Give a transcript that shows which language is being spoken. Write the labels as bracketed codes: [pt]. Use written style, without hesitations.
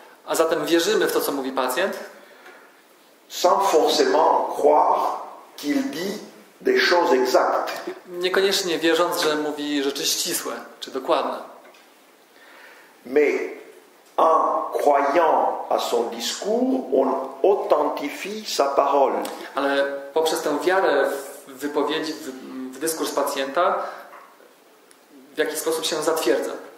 [pl] a zatem wierzymy w to, co mówi pacjent, [fr] sans forcément croire qu'il dit des choses exactes. [pl] Niekoniecznie wierząc, że mówi rzeczy ścisłe czy dokładne. [fr] Mais en croyant à son discours, on authentifie sa parole. [pl] Ale poprzez tę wiarę w wypowiedzi, w dyskurs pacjenta, w jakiś sposób się zatwierdza.